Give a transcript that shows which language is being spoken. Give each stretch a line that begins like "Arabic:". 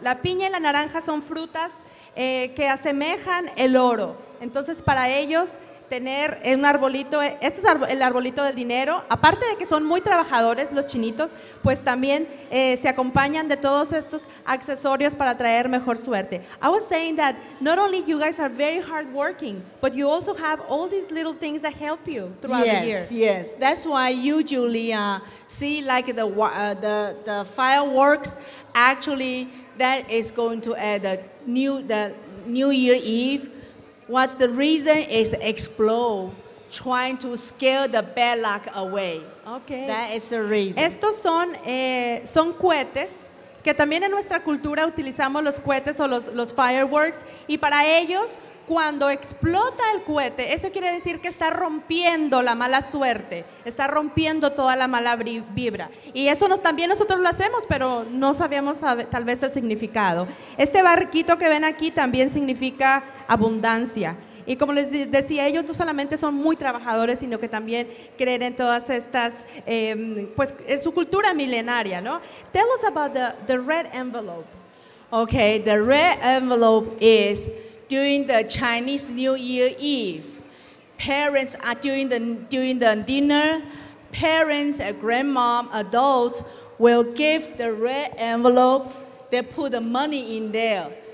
Spanish: La piña y la naranja son frutas que asemejan el oro. Entonces, para ellos, tener un arbolito, este es el arbolito del dinero. Aparte de que son muy trabajadores los chinitos, pues también se acompañan de todos estos accesorios para traer mejor suerte.
English: I was saying that not only you guys are very hardworking, but you also have all these little things that help you throughout yes, the year. Yes, that's why you, Julia, see like the fireworks, actually that is going to add the New Year Eve. What's the reason is explode, trying to scare the bad luck away. Okay. That is the reason.
Spanish: Estos son son cohetes, que también en nuestra cultura utilizamos los cohetes o los fireworks, y para ellos, cuando explota el cohete, eso quiere decir que está rompiendo la mala suerte, está rompiendo toda la mala vibra. Y eso también nosotros lo hacemos, pero no sabíamos tal vez el significado. Este barquito que ven aquí también significa abundancia. Y como les decía, ellos no solamente son muy trabajadores, sino que también creen en todas estas, pues es su cultura milenaria, ¿no?
English: Tell us about the red envelope. Okay, the red envelope is... During the Chinese New Year Eve, parents are during the dinner, parents and grandmom, adults will give the red envelope, they put the money in there.